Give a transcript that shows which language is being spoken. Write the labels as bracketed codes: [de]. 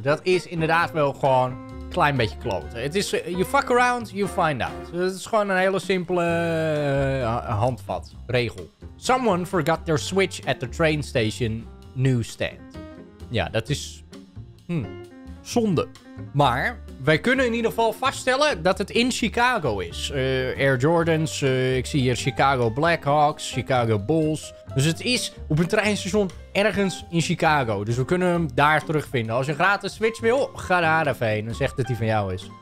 [nl] Dat is inderdaad wel gewoon een klein beetje kloot. Het is, [en] you fuck around, you find out. [nl] Het is gewoon een hele simpele handvat, regel. [en] Someone forgot their switch at the train station newsstand. [nl] Ja, dat is... zonde. Maar wij kunnen in ieder geval vaststellen dat het in Chicago is. Air Jordans, ik zie hier Chicago Blackhawks, Chicago Bulls. Dus het is op een treinstation ergens in Chicago. Dus we kunnen hem daar terugvinden. Als je gratis switch wil, ga daar even heen en zeg dat hij van jou is.